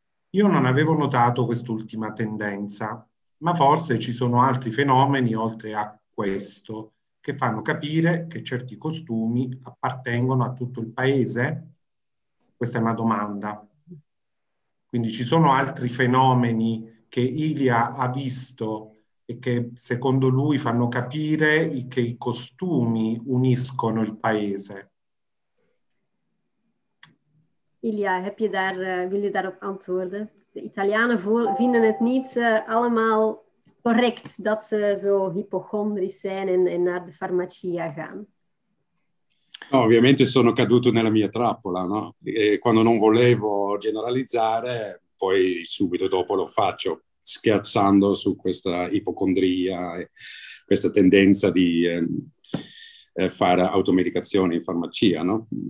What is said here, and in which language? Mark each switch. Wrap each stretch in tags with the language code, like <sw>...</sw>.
<it>Io non avevo notato quest'ultima tendenza, ma forse ci sono altri fenomeni oltre a questo che fanno capire che certi costumi appartengono a tutto il paese? Questa è una domanda. Quindi ci sono altri fenomeni che Ilja ha visto e che secondo lui fanno capire che i costumi uniscono il paese.</it> <nl>Ilja, heb je daar, wil je daarop antwoorden? De Italianen vinden het niet allemaal correct dat ze zo hypochondrisch zijn en naar de farmacia gaan.</nl> <it>No, ovviamente sono caduto nella mia trappola, no? E quando non volevo generalizzare, poi subito dopo lo faccio, scherzando su questa ipocondria, e questa tendenza di fare automedicazione in farmacia, no?</it>